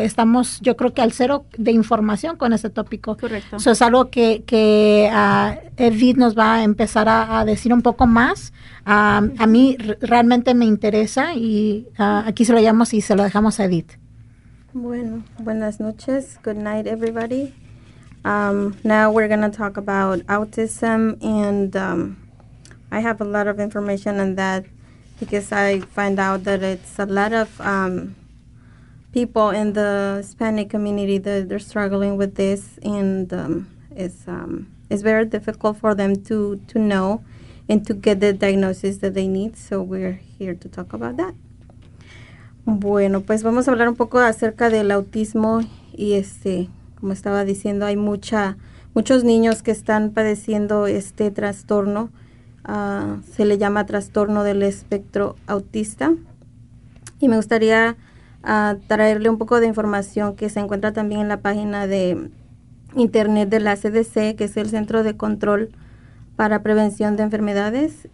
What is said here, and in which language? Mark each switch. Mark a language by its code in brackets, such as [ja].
[es] Estamos, yo creo que al cero de información con ese tópico. Correcto. Eso es algo que Edith nos va a empezar a decir un poco más. A mí realmente me interesa y aquí se lo llamamos y se lo dejamos a Edith. Bueno, buenas noches. [en] Good night, everybody. Now we're going to talk about autism, and I have a lot of information on that because I find out that it's a lot of people in the Hispanic community that they're struggling with this, and it's very difficult for them to know and to get the diagnosis that they need, so we're here to talk about that. [es] Bueno, pues vamos a hablar un poco acerca del autismo y como estaba diciendo, hay muchos niños que están padeciendo este trastorno. Se le llama trastorno del espectro autista. Y me gustaría traerle un poco de información que se encuentra también en la página de internet de la CDC, que es el Centro de Control para Prevención de Enfermedades.